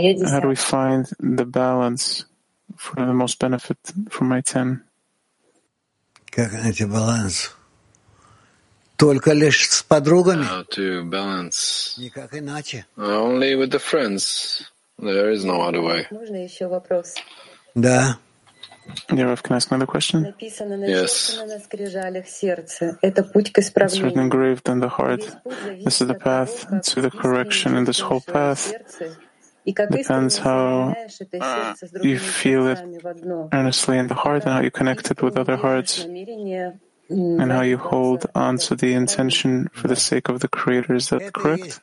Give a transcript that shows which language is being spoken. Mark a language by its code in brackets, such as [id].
[en] How do we find the balance for the most benefit for my 10? [ru] Как найти баланс? Только лишь с подругами. [en] How to balance? [ru] Никак иначе. [en] Only with the friends. There is no other way. [ru] Можно еще вопрос? Да. [en] Yeah, Rav, can I ask another question? [ru] Написано на скрижалях сердца. Это путь к исправлению. [en] It's written engraved in the heart. This is the path to the correction, and this whole path depends how you feel it earnestly in the heart and how you connect it with other hearts. And how you hold on to the intention for the sake of the Creator, is that correct?